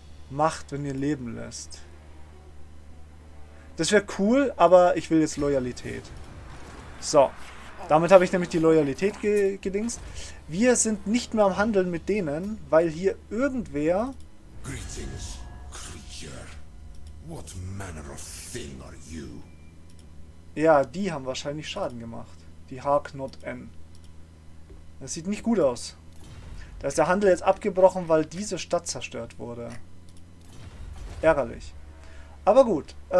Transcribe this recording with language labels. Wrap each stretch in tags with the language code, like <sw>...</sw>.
<de>Macht, wenn ihr leben lässt. Das wäre cool, aber ich will jetzt Loyalität. So. Damit habe ich nämlich die Loyalität gedingst. Wir sind nicht mehr am Handeln mit denen, weil hier irgendwer...</de> <en>Greetings, creature. What manner of thing are you?</en> <de>Ja, die haben wahrscheinlich Schaden gemacht. Die Harknot N. Das sieht nicht gut aus. Da ist der Handel jetzt abgebrochen, weil diese Stadt zerstört wurde. Ärgerlich. Aber gut.</de>